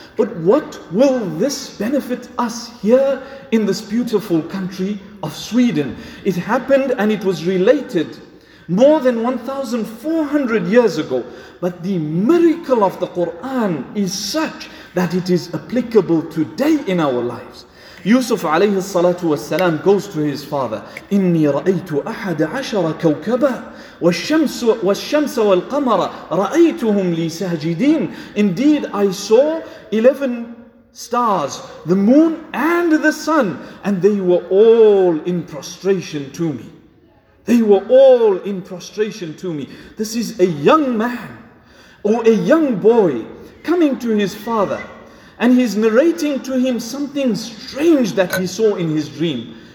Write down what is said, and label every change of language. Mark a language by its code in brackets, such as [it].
[en] But what will this benefit us here in this beautiful country of Sweden? It happened and it was related more than 1,400 years ago. But the miracle of the Quran is such that it is applicable today in our lives. Yusuf alayhi salatu wasalam goes to his father, [ar] إِنِّي رَأَيْتُ أَحَدَ عَشَرَ كَوْكَبًا وَالشَّمْسَ وَالْقَمَرَ رَأَيْتُهُمْ لِي سَاجِدِينَ. [en] Indeed, I saw 11 stars, the moon and the sun, and they were all in prostration to me. They were all in prostration to me. This is a young man or a young boy coming to his father, and he's narrating to him something strange that he saw in his dream.